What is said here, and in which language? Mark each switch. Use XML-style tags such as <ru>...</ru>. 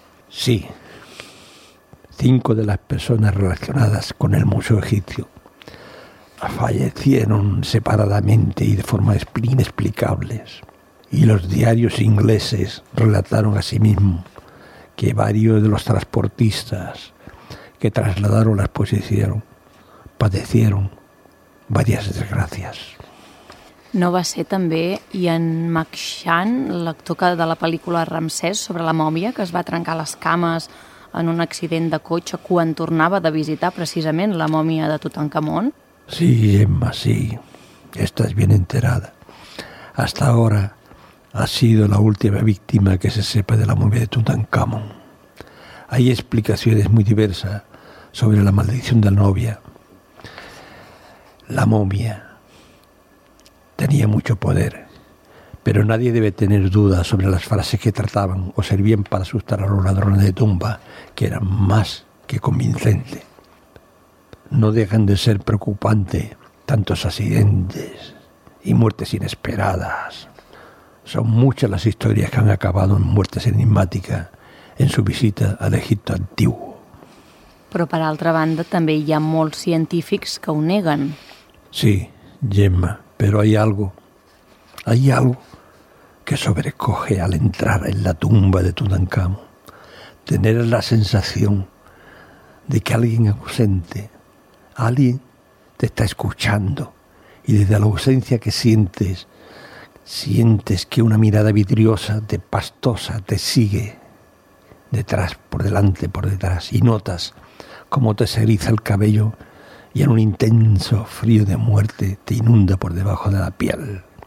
<es>Sí, 5 de las personas relacionadas con el Museo Egipcio fallecieron separadamente y de forma inexplicable. Y los diarios ingleses relataron asimismo que varios de los transportistas que trasladaron la exposición padecieron varias desgracias.</es> <ca>No va ser també Ian McShane, l'actor de la pel·lícula Ramsès sobre la mòmia, que es va trencar les cames en un accident de cotxe quan tornava de visitar precisament la mòmia de Tutankamón?</ca> <es>Sí, Gemma, sí. Estás bien enterada. Hasta ahora ha sido la última víctima que se sepa de la mòmia de Tutankamón. Hay explicaciones muy diversas sobre la maldición de la novia. La momia tenía mucho poder, pero nadie debe tener dudas sobre las frases que trataban o servían para asustar a los ladrones de tumba, que eran más que convincentes. No dejan de ser preocupantes tantos accidentes y muertes inesperadas. Son muchas las historias que han acabado en muertes enigmáticas en su visita al Egipto antiguo.</es> <ca>Però per altra banda també hi ha molts científics que ho neguen. Sí, Gemma, però hi ha</ca> <es>algo que sobrecoge al entrar en la tumba de Tutankamón. Tener la sensación de que alguien ausente, alguien te está escuchando, y desde la ausencia que sientes, sientes que una mirada vidriosa, de pastosa, te sigue detrás, por delante, por detrás, y notas cómo te se eriza el cabello y en un intenso frío de muerte te inunda por debajo de la piel.</es>